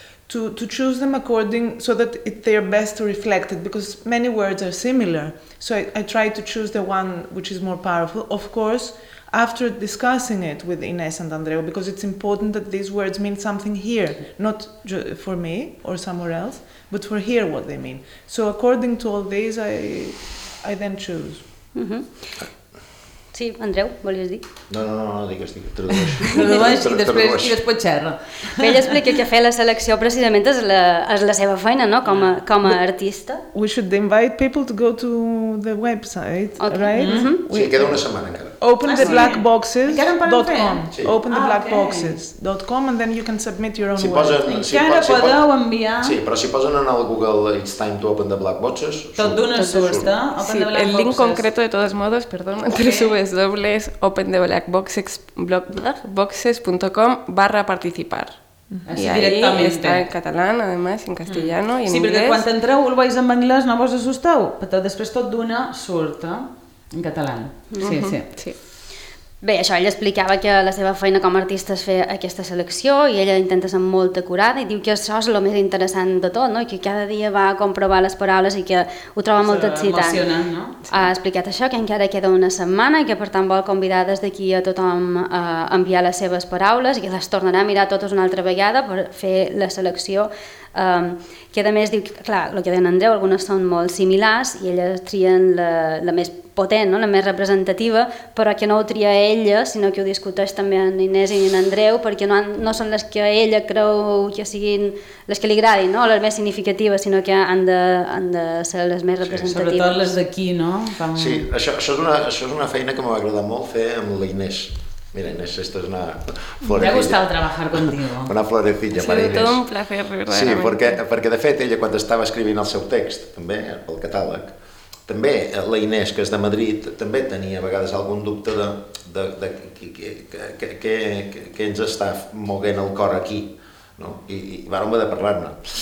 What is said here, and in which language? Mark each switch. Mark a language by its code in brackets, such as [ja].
[en] choose them according so that they are best reflected, because many words are similar, so I try to choose the one which is more powerful, of course, after discussing it with Ines and Andreo, because it's important that these words mean something here, not for me or somewhere else, but for here what they mean. So according to all these, I then choose. [ca] Mm-hmm. Sí, Andreu, volies dir? No, digues, després xerra. Bé, ella explica que fer la selecció precisament és la seva feina, no?, com a artista. [en] We should invite people to go to the website, okay. Right? Mm-hmm. [ca] Sí, queda una setmana encara. [en] opentheblackboxes.com opentheblackboxes.com and then you can submit your own [ca] si posen, [en] words. [ca] Si encara si podeu enviar... Sí, però si posen en el Google [en] It's time to open the black boxes... [ca] Tot d'una surt, [es] sí, el link concreto de todos modos, perdón, www.opentheblackboxes.com/participar. Así directamente. Está en catalán, además, en castellano y en sí, inglés. [ca] Sí, perquè quan entreu ho veus en anglès no vos assusteu, però després tot d'una surt, en català. Sí, sí, sí. Bé, això, ella explicava que la seva feina com a artista és fer aquesta selecció i ella intenta ser molt acurada i diu que això és el més interessant de tot, no? I que cada dia va a comprovar les paraules i que ho troba molt excitant. No? Sí. Ha explicat això, que encara queda una setmana i que per tant vol convidar des d'aquí a tothom a enviar les seves paraules i que les tornarà a mirar totes una altra vegada per fer la selecció. Que a més diu, clar, el que deia en Andreu, algunes són molt similars i elles trien la més potent, no? La més representativa, però que no ho tria ella, sinó que ho discuteix també en Inés i en Andreu, perquè no són les que ella creu que siguin les que li agradin, no? Les més significatives, sinó que han de ser les més representatives. Sí, sobretot les d'aquí, no? Sí, això és una feina que m'ha agradat molt fer amb la Inés. [es] Mira, Inés, esto es una florecilla. Me ha gustado trabajar contigo. Una florecilla para Inés. Sí, todo un placer, realmente. [ca] Sí, [es] porque [ca] de fet, ella, [es] cuando estaba escribiendo [ca] el seu text, también, pel catàleg, també la Inés, que és de Madrid, també tenia a vegades algun dubte de què ens està moguent el cor aquí, no? I vàrem haver de parlar-ne.